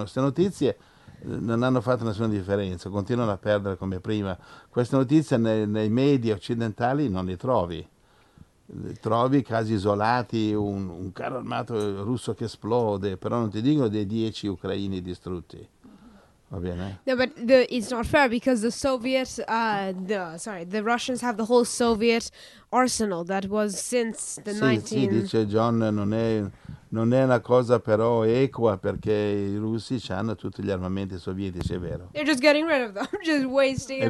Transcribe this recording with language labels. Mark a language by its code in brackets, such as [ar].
[it] Queste notizie non hanno fatto nessuna differenza, continuano a perdere come prima. Queste notizie nei media occidentali non le trovi. Trovi casi isolati, un carro armato russo che esplode, però non ti dicono dei 10 ucraini distrutti. [en] No, but it's not fair because the Soviets, the Russians have the whole Soviet arsenal that was since the 19... [it] Sì, dice John, non è una cosa però equa perché i russi hanno tutti gli armamenti sovietici, è vero. [en] They're just getting rid of them, just wasting it